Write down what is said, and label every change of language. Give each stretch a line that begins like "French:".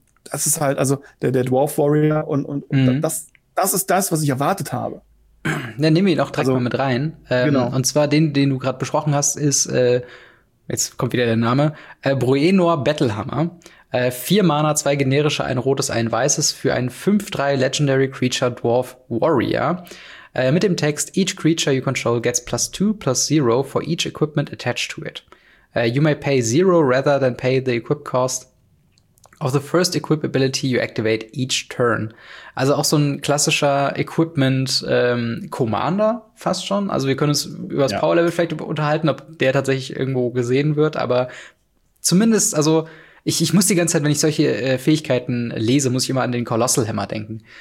German: das ist halt, also der Dwarf Warrior und mhm. das ist das, was ich erwartet habe. Dann nehmen wir ihn auch direkt also, mal mit rein. Genau. Und zwar den du gerade besprochen hast, ist, jetzt kommt wieder der Name, Bruenor Battlehammer. 4 Mana, 2 generische, 1 rotes, 1 weißes für einen 5/3 Legendary Creature Dwarf Warrior. Mit dem Text,
English: each creature you control gets +2/+0 for each equipment attached to it. You may pay 0 rather than pay the equip cost of the first equip ability you activate each turn.
German: Also auch so ein klassischer Equipment Commander fast schon. Also wir können uns über das Power Level vielleicht unterhalten, ob der tatsächlich irgendwo gesehen wird. Aber zumindest, also ich muss die ganze Zeit, wenn ich solche Fähigkeiten lese, muss ich immer an den Colossal Hammer denken.